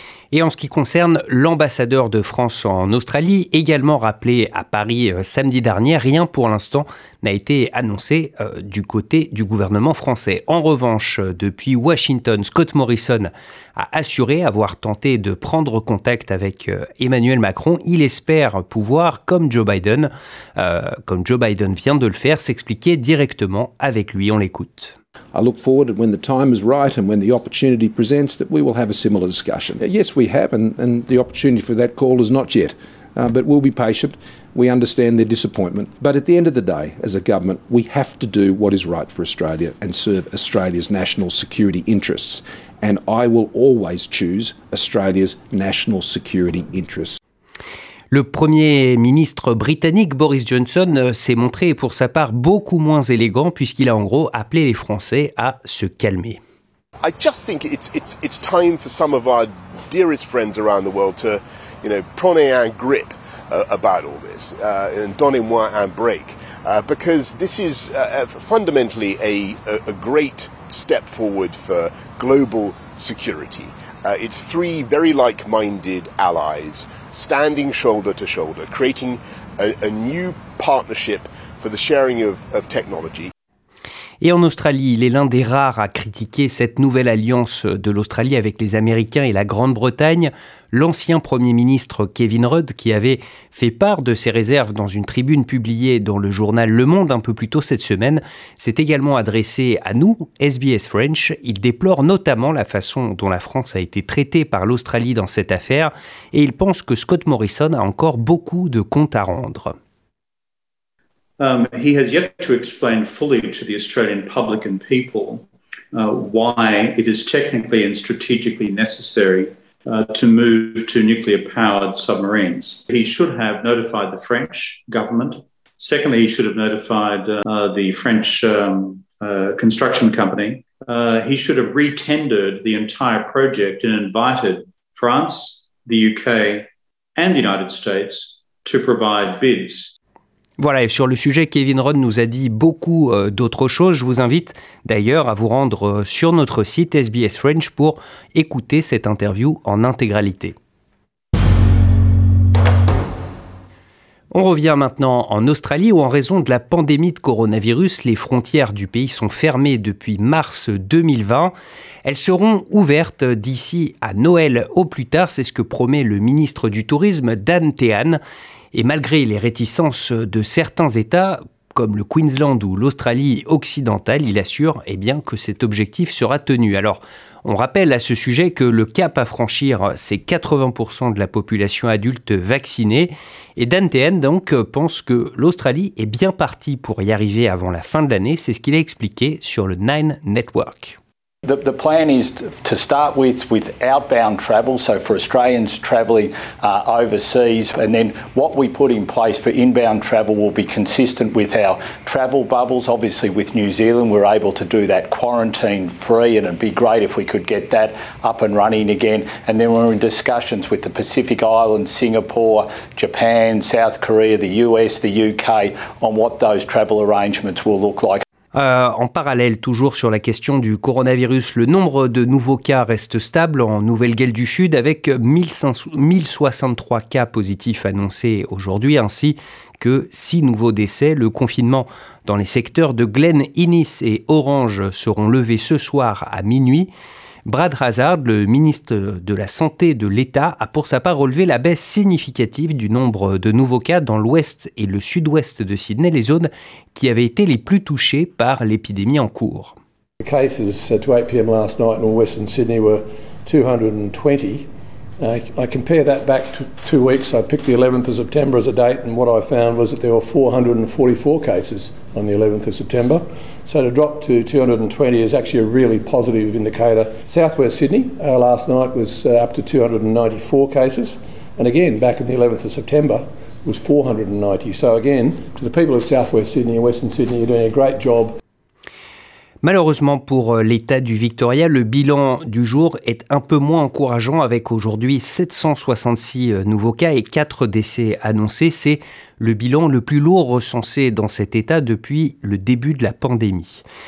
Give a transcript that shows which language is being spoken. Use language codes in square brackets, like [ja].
[fr] Et en ce qui concerne l'ambassadeur de France en Australie, également rappelé à Paris samedi dernier, rien pour l'instant n'a été annoncé du côté du gouvernement français. En revanche, depuis Washington, Scott Morrison a assuré avoir tenté de prendre contact avec Emmanuel Macron. Il espère pouvoir, comme Joe Biden vient de le faire, s'expliquer directement avec lui. On l'écoute. [en] I look forward when the time is right and when the opportunity presents that we will have a similar discussion. Yes, we have, and the opportunity for that call is not yet. But we'll be patient. We understand their disappointment. But at the end of the day, as a government, we have to do what is right for Australia and serve Australia's national security interests. And I will always choose Australia's national security interests. [fr] Le Premier ministre britannique Boris Johnson s'est montré pour sa part beaucoup moins élégant puisqu'il a en gros appelé les Français à se calmer. [en] I just think it's time for some of our dearest friends around the world to, you know, [fr] prendre un grip [en] about all this and [fr] donnez-moi un break [en] because this is fundamentally a great step forward for global security. It's three very like-minded allies standing shoulder to shoulder, creating a new partnership for the sharing of technology. [fr] Et en Australie, il est l'un des rares à critiquer cette nouvelle alliance de l'Australie avec les Américains et la Grande-Bretagne. L'ancien Premier ministre Kevin Rudd, qui avait fait part de ses réserves dans une tribune publiée dans le journal Le Monde un peu plus tôt cette semaine, s'est également adressé à nous, SBS French. Il déplore notamment la façon dont la France a été traitée par l'Australie dans cette affaire et il pense que Scott Morrison a encore beaucoup de comptes à rendre. [en] He has yet to explain fully to the Australian public and people why it is technically and strategically necessary to move to nuclear-powered submarines. He should have notified the French government. Secondly, he should have notified the French construction company. He should have re-tendered the entire project and invited France, the UK and the United States to provide bids. [fr] Voilà, et sur le sujet, Kevin Rudd nous a dit beaucoup d'autres choses. Je vous invite d'ailleurs à vous rendre sur notre site SBS French pour écouter cette interview en intégralité. On revient maintenant en Australie où, en raison de la pandémie de coronavirus, les frontières du pays sont fermées depuis mars 2020. Elles seront ouvertes d'ici à Noël au plus tard, c'est ce que promet le ministre du Tourisme, Dan Tehan. Et malgré les réticences de certains États, comme le Queensland ou l'Australie occidentale, il assure que cet objectif sera tenu. Alors, on rappelle à ce sujet que le cap à franchir, c'est 80% de la population adulte vaccinée. Et Dan Tehan, donc, pense que l'Australie est bien partie pour y arriver avant la fin de l'année. C'est ce qu'il a expliqué sur le Nine Network. [en] The plan is to start with outbound travel, so for Australians travelling overseas, and then what we put in place for inbound travel will be consistent with our travel bubbles. Obviously with New Zealand we're able to do that quarantine free, and it'd be great if we could get that up and running again. And then we're in discussions with the Pacific Islands, Singapore, Japan, South Korea, the US, the UK on what those travel arrangements will look like. [fr] En parallèle, toujours sur la question du coronavirus, le nombre de nouveaux cas reste stable en Nouvelle-Galles du Sud avec 1063 cas positifs annoncés aujourd'hui ainsi que 6 nouveaux décès. Le confinement dans les secteurs de Glen Innes et Orange seront levés ce soir à minuit. Brad Hazard, le ministre de la Santé de l'État, a pour sa part relevé la baisse significative du nombre de nouveaux cas dans l'ouest et le sud-ouest de Sydney, les zones qui avaient été les plus touchées par l'épidémie en cours. [en] The cases to 8 p.m. last night in Western Sydney were 220. I compare that back to 2 weeks. I picked the 11th of September as a date, and what I found was that there were 444 cases on the 11th of September. So to drop to 220 is actually a really positive indicator. Southwest Sydney last night was up to 294 cases, and again back on the 11th of September was 490. So again, to the people of Southwest Sydney and Western Sydney, you're doing a great job. [fr] Malheureusement pour l'État du Victoria, le bilan du jour est un peu moins encourageant avec aujourd'hui 766 nouveaux cas et 4 décès annoncés. C'est le bilan le plus lourd recensé dans cet État depuis le début de la pandémie.